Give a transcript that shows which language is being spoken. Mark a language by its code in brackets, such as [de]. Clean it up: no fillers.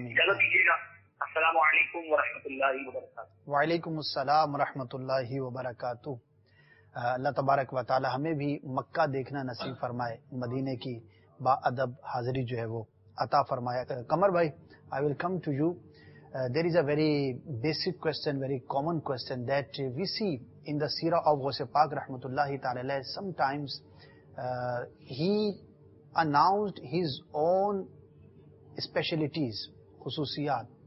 [ur] اجازت دیجیے گا. السلام علیکم ورحمۃ اللہ وبرکاتہ. وعلیکم السلام ورحمۃ اللہ وبرکاتہ. اللہ تبارک و تعالیٰ ہمیں بھی مکہ دیکھنا نصیب فرمائے, مدینہ کی با ادب حاضری جو ہے وہ عطا فرمایا. [en] قمر بھائی, I will come to you. There is a very basic question, very common question that we see in the سیرہ of Ghaus Pak رحمۃ اللہ تعالی علیہ. Sometimes he announced his own specialties, خصوصیات.